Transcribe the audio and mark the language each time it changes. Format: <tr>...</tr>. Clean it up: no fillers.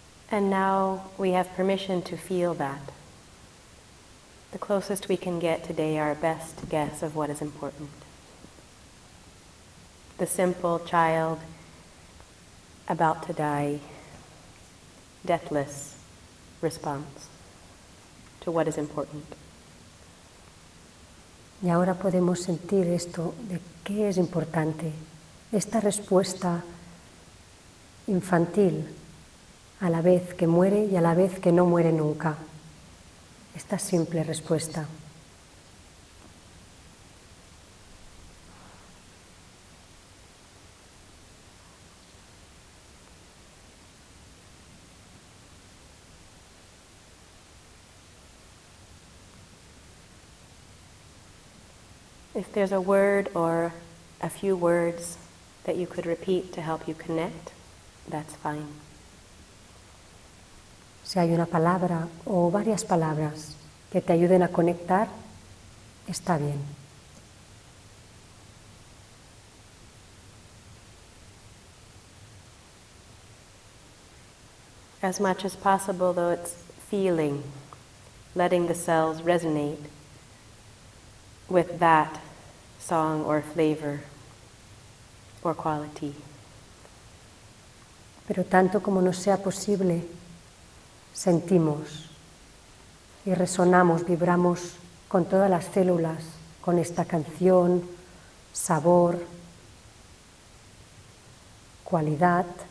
<en>And now we have permission to feel that. The closest we can get today, our best guess of what is important. The simple child about to die, deathless response to what is important.</en> <es>Y ahora podemos sentir esto de qué es importante, esta respuesta infantil, a la vez que muere y a la vez que no muere nunca. Esta simple respuesta.</es> <en>If there's a word or a few words that you could repeat to help you connect, that's fine.</en> <es>Si hay una palabra o varias palabras que te ayuden a conectar, está bien.</es> <en>As much as possible, though, it's feeling, letting the cells resonate with that song or flavor or quality.</en> <es>Pero tanto como nos sea posible, sentimos y resonamos, vibramos con todas las células, con esta canción, sabor, cualidad.</es>